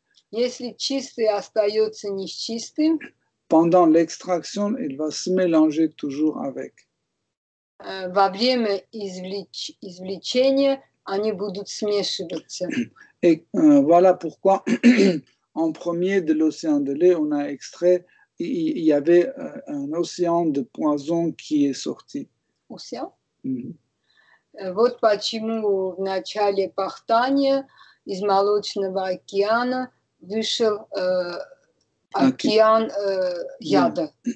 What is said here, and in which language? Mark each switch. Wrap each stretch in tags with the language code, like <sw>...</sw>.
<ru>если чистый остается не чистым,</ru> <fr>pendant l'extraction, il va se mélanger toujours avec.</fr> <ru>Во время извлечения они будут смешиваться.</ru> <fr>Et voilà pourquoi. En premier de l'océan de lait, on a extrait, il y avait un océan de poison qui est sorti. Océan?</fr> <ru>Вот почему в начале пахтания из молочного океана вышел океан яда.</ru>